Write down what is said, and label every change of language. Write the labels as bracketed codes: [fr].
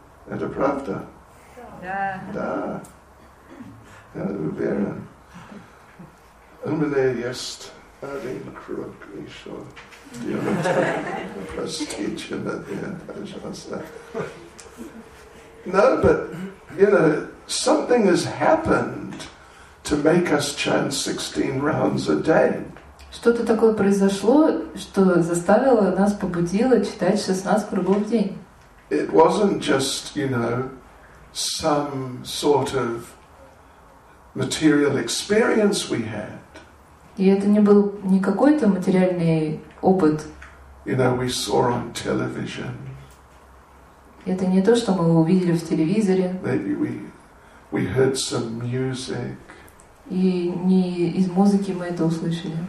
[ru] Это правда? Да. Да. Уверен. У меня есть один круг еще. Простите меня, пожалуйста. [en] No, but, you know, something has happened to make us chant 16 rounds a day. [ru] Что-то такое произошло, что заставило нас, побудило читать 16 кругов в день. [en] It wasn't just, you know, some sort of material experience we had. [ru] И это не был не какой-то материальный опыт. [en] You know, we saw on television. [ru] Это не то, что мы увидели в телевизоре. [en] Maybe we heard some music. [ru] И не из музыки мы это услышали.